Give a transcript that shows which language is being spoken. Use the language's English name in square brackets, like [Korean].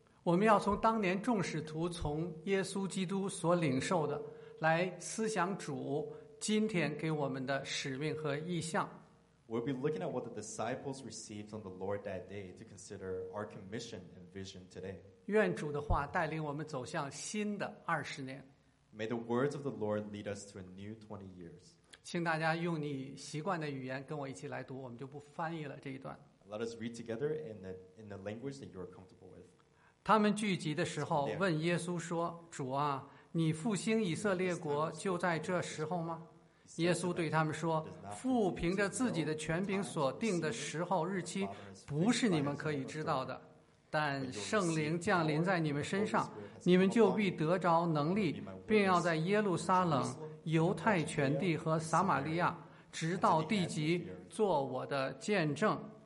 [Chinese] 我们要从当年众使徒从耶稣基督所领受的来思想主今天给我们的使命和意向。 [English] We'll be looking at what the disciples received from the Lord that day to consider our commission and vision today. [Chinese] 愿主的话带领我们走向新的20年。 [English] May the words of the Lord lead us to a new 20 years. [Chinese] 请大家用你习惯的语言跟我一起来读，我们就不翻译了这一段。 [English] Let us read together in the language that you are comfortable with. [Chinese] 他们聚集的时候问耶稣说，主啊，你复兴以色列国就在这时候吗？耶稣对他们说，父凭着自己的权柄所定的时候日期不是你们可以知道的，但圣灵降临在你们身上，你们就必得着能力，并要在耶路撒冷、犹太全地和撒玛利亚直到地极做我的见证。